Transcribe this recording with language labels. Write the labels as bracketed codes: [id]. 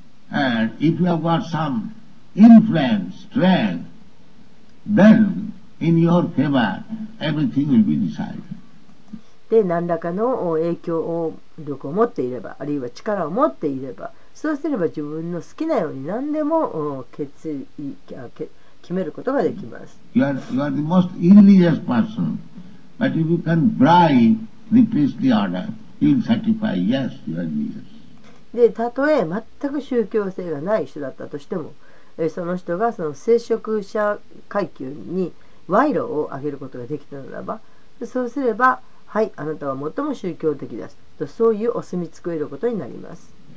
[en] And if you have got some influence, strength, thenIn your favor, everything will be decided. [ja] で、何らかの影響力を持っていれば、あるいは力を持っていれば、そうすれば自分の好きなように何でも決めることができます。 [en] You are the most irreligious person, but if you can bribe the priestly order, you will certify, yes, you are religious. [ja] で、たとえ全く宗教性がない人だったとしても、その人がその聖職者階級に賄賂をあげることができたならば、そうすれば、はい、あなたは最も宗教的です、と、そういうお墨付きを得ることになります。